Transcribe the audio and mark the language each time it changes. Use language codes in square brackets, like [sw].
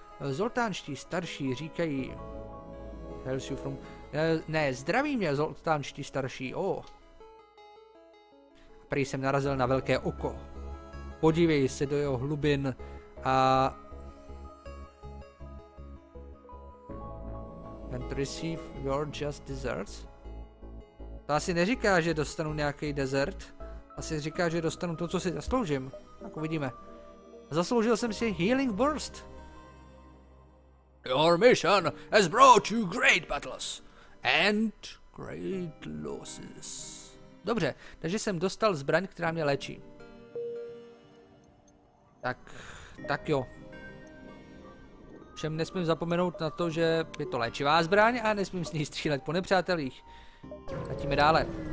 [cs] Zoltánští starší říkají... [en] Hells you from... [cs] Ne, zdraví mě, zoltánští starší, o. Prý jsem narazil na velké oko. Podívej se do jeho hlubin a... [en] And receive your just desserts. [cs] To asi neříká, že dostanu nějaký desert. Asi říká, že dostanu to, co si zasloužím. Tak uvidíme. Zasloužil jsem si Healing Burst. [en] Your mission has brought you great battles and great losses. [cs] Dobře, takže jsem dostal zbraň, která mě léčí. Tak, tak jo. Všem nesmím zapomenout na to, že je to léčivá zbraň a nesmím s ní střílet po nepřátelích. Letíme dále.